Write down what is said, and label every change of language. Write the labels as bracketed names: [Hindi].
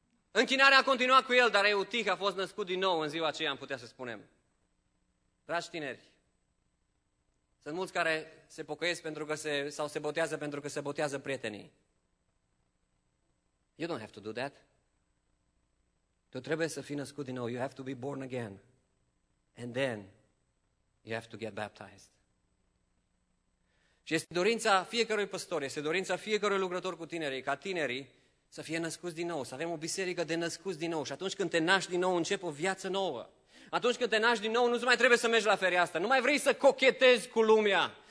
[Romanian] Închinarea a continuat cu el, dar Eutich a fost născut din nou în ziua aceea, am putea să spunem. Dragi tineri, sunt mulți care se pocăiesc pentru că se botează pentru că se botează prietenii. [English] You don't have to do that. [Romanian] Tu trebuie să fii născut din nou. [English] You have to be born again. And then you have to get baptized. [Romanian] Și este dorința fiecărui păstor, este dorința fiecărui lucrător cu tinerii, ca tinerii să fie născuți din nou, să avem o biserică de născuți din nou. Și atunci când te naști din nou, începe o viață nouă. Atunci când te naști din nou, nu mai trebuie să mergi la fereastră. Nu mai vrei să cochetezi cu lumea.